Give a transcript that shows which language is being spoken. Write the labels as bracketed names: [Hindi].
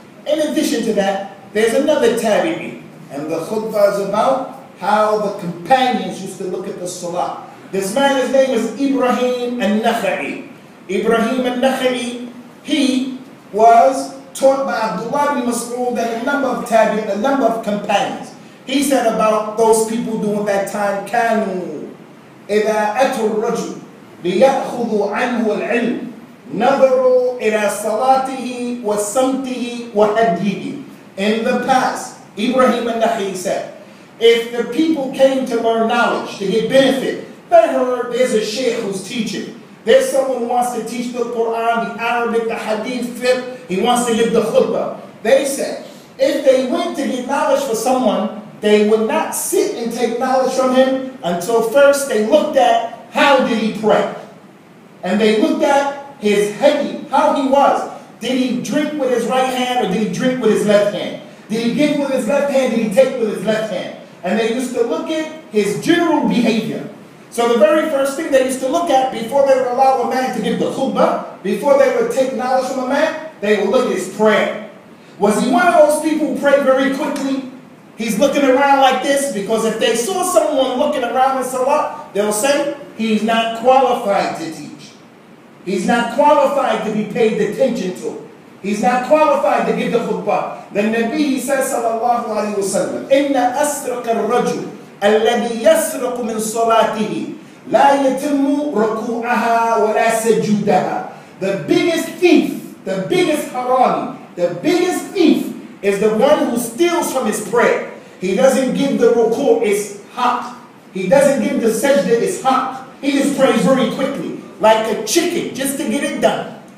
[English] In addition to that, there's another tabi'i. And the khutbah is about how the companions used to look at the salah. This man, his name is Ibrahim al-Nakhai. Ibrahim al-Nakhai, he was taught by Abdullah ibn Mas'ud and a number of tabi'in, a number of companions. He said about those people during that time, [Arabic] كانوا إذا أتوا الرجل ليأخذوا عنه العلم نظروا إلى صلاته وصمته وهديه. [English] In the past, Ibrahim al-Nakhai said, if the people came to learn knowledge, to get benefit, they heard there's a sheikh who's teaching. There's someone who wants to teach the Quran, the Arabic, the Hadith, fiqh. He wants to give the khutbah. They said, if they went to get knowledge for someone, they would not sit and take knowledge from him until first they looked at how did he pray. And they looked at his hadith, how he was. Did he drink with his right hand or did he drink with his left hand? Did he give with his left hand? Did he take with his left hand? And they used to look at his general behavior. So the very first thing they used to look at before they would allow a man to give the khutbah, before they would take knowledge from a man, they would look at his prayer. Was he one of those people who prayed very quickly? He's looking around like this, because if they saw someone looking around in salah, they'll say, he's not qualified to teach. He's not qualified to be paid attention to. He's not qualified to give the khutbah. The Nabi, he says, [Arabic] sallallahu alayhi wa sallam, إِنَّ أَسْرَقَ الرَّجُلُ الَّذِي يَسْرَقُ مِنْ صَلَاتِهِ لَا يَتِمُّ رُكُوعَهَا وَلَا سَجُودَهَا. [English] The biggest thief, the biggest harami, the biggest thief is the one who steals from his prayer. He doesn't give the ruku' its haq. He doesn't give the sajda its haq. He just prays very quickly, like a chicken, just to get it done.